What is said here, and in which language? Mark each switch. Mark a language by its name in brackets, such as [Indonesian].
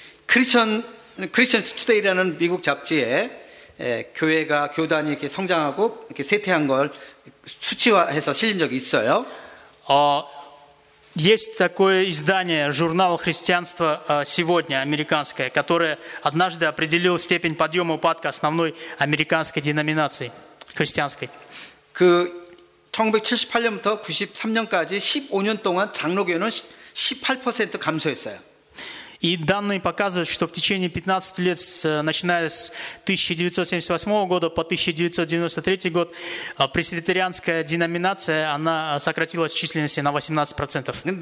[Korean] Christian Today라는 미국 잡지에 교회가 교단이 이렇게 성장하고 이렇게 쇠퇴한 걸 수치화해서 실린 적이 있어요. [Russian] Есть такое издание, журнал христианства сегодня, американское, которое однажды определил степень подъема упадка основной американской деноминации христианской. [Korean] 그 1978년부터 93년까지 15년 동안 장로교는 18% 감소했어요. [Russian] И данные показывают, что в течение 15 лет, начиная с 1978 года по 1993 год, пресвитерианская деноминация, она сократилась в численности на 18%.